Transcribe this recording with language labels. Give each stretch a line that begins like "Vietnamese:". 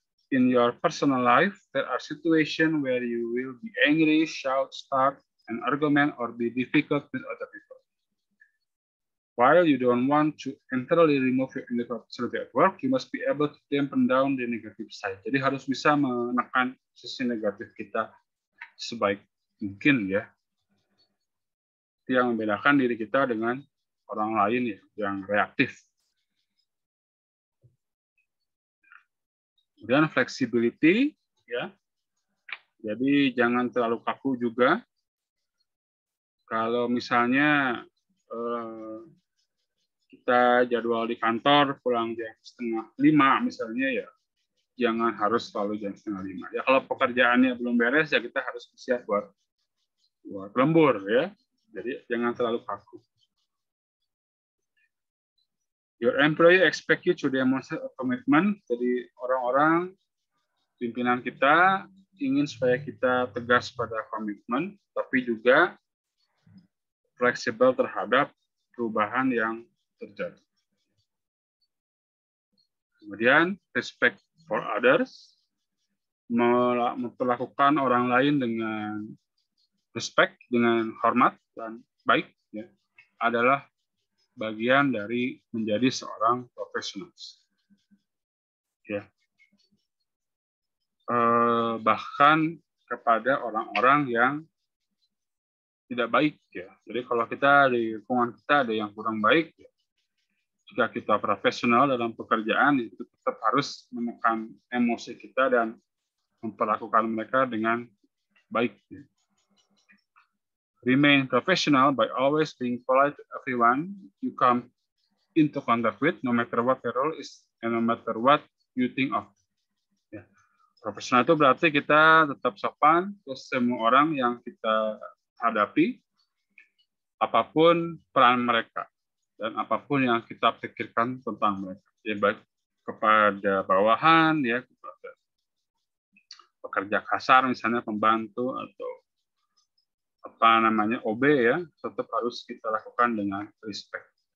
English: In your personal life, there are situations where you will be angry, shout, start an argument, or be difficult with other people. While you don't want to entirely remove your negative personality at work, you must be able to dampen down the negative side.
Indonesian: Jadi harus bisa menekan sisi negatif kita sebaik mungkin ya. Yang membedakan diri kita dengan orang lain ya, yang reaktif. Kemudian flexibility ya. Jadi jangan terlalu kaku juga. Kalau misalnya kita jadwal di kantor pulang jam 4:30 misalnya ya, jangan harus selalu jam 4:30. Ya kalau pekerjaannya belum beres ya kita harus siap buat lembur ya. Jadi jangan terlalu kaku.
English: Your employee expect you to demonstrate a commitment.
Indonesian: Jadi orang-orang pimpinan kita ingin supaya kita tegas pada komitmen, tapi juga fleksibel terhadap perubahan yang terjadi. Kemudian respect for others, memperlakukan orang lain dengan respect, dengan hormat dan baik, ya, adalah bagian dari menjadi seorang profesional. Ya. Bahkan kepada orang-orang yang tidak baik ya. Jadi kalau kita di lingkungan kita ada yang kurang baik ya, jika kita profesional dalam pekerjaan itu tetap harus menekan emosi kita dan memperlakukan mereka dengan baik ya.
English: Remain professional by always being polite to everyone you come into contact with, no matter what the role is and no matter what you think of. Yeah.
Indonesian: Profesional itu berarti kita tetap sopan ke semua orang yang kita hadapi, apapun peran mereka dan apapun yang kita pikirkan tentang mereka. Ya, baik kepada bawahan, ya kepada pekerja kasar misalnya pembantu atau apa namanya OB ya, tetap harus kita lakukan dengan respect.